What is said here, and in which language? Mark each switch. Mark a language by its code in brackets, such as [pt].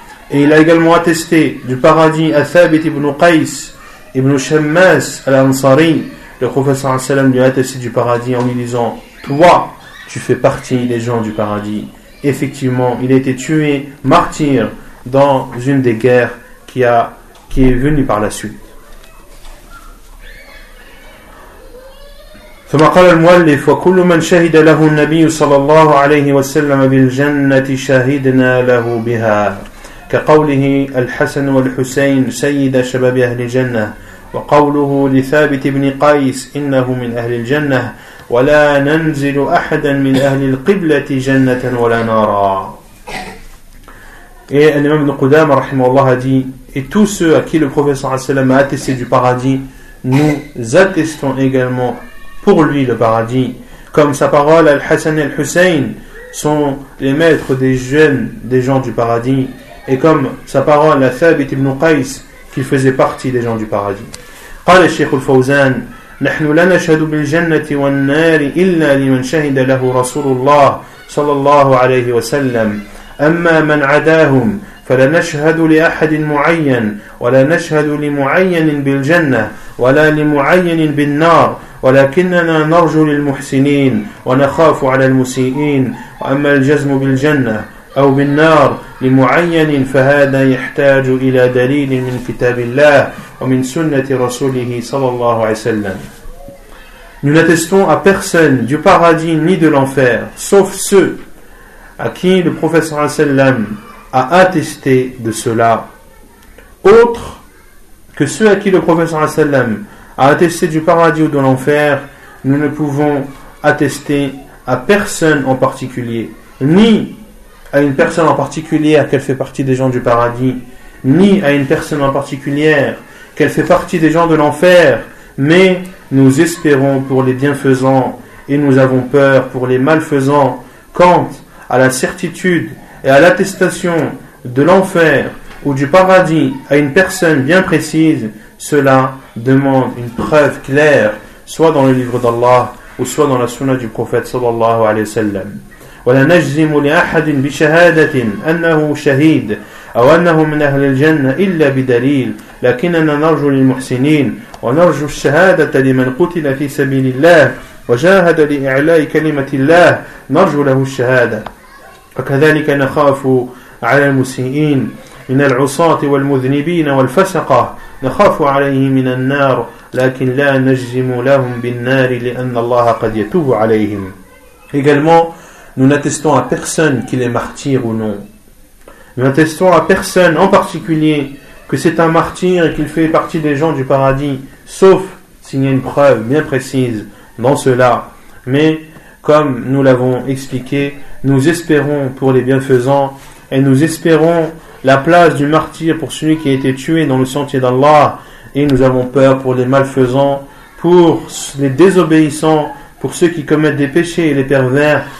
[fr] Et il a également attesté du paradis Athabit ibn Qais, ibn Shammas al-Ansari. Le prophète sallallahu alayhi wa sallam lui a attesté du paradis en lui disant, toi, tu fais partie des gens du paradis. Effectivement, il a été tué martyr dans une des guerres qui est venue par la suite. [ar] ثم قال المؤلف وكل من شهد له النبي صلى الله عليه وسلم بالجنة شهدنا له بها كقوله الحسن والحسين سيد شباب أهل الجنة وقوله لثابت بن قيس إنه من أهل الجنة ولا ننزل أحدا من أهل القبلة جنة ولا نارا. [fr] Et l'imam ibn Qudama rahimahullah a dit, et tous ceux à qui le prophète sallallahu alayhi wa sallam a attesté du paradis, nous attestons également pour lui le paradis. Comme sa parole, Al-Hassan et Al-Hussein sont les maîtres des jeunes des gens du paradis. Et comme sa parole, Al-Thabit ibn Qais, qu'il faisait partie des gens du paradis. [ar] قال الشيخ الفوزان نحن لا نشهد بالجنة والنار إلا لمن شهد له رسول الله صلى الله عليه وسلم. أما من عداهم فلا نشهد لأحد معين ولا نشهد لمعين بالجنة ولا لمعين بالنار، ولكننا نرجو للمحسنين ونخاف على المسيئين. وأما الجزم بالجنة أو بالنار لمعين فهذا يحتاج إلى دليل من كتاب الله ومن سنة رسوله صلى الله عليه وسلم. [fr] Nous n'attestons à personne du paradis ni de l'enfer, sauf ceux à qui le prophète sallallahu alayhi wa sallam a attesté de cela. Autre que ceux à qui le prophète sallallahu alayhi wa sallam a attesté du paradis ou de l'enfer, nous ne pouvons attester à personne en particulier, ni à une personne en particulier qu'elle fait partie des gens du paradis, ni à une personne en particulier qu'elle fait partie des gens de l'enfer, mais nous espérons pour les bienfaisants et nous avons peur pour les malfaisants. Quant à la certitude et à l'attestation de l'enfer ou du paradis à une personne bien précise, cela demande une preuve claire, soit dans le livre d'Allah ou soit dans la sunna du prophète sallallahu alayhi wa sallam. [ar] وَلَا نَجْزِمُ لِأَحَدٍ بِشَهَادَةٍ أَنَّهُ شَهِيدٍ أو أنه من أهل الجنة إلا بدليل، لكننا نرجو للمحسنين ونرجو الشهادة لمن قتل في سبيل الله وجاهد لإعلاء كلمة الله، نرجو له الشهادة. وكذلك نخاف على المسيئين من العصاة والمذنبين والفسقة، نخاف عليه من النار، لكن لا نجزم لهم بالنار لأن الله قد يتوب عليهم. [fr] Également, nous n'attestons à personne qu'il est martyr ou non. Nous n'attestons à personne en particulier que c'est un martyr et qu'il fait partie des gens du paradis, sauf s'il y a une preuve bien précise dans cela. Mais, comme nous l'avons expliqué, nous espérons pour les bienfaisants et nous espérons la place du martyr pour celui qui a été tué dans le sentier d'Allah, et nous avons peur pour les malfaisants, pour les désobéissants, pour ceux qui commettent des péchés et les pervers.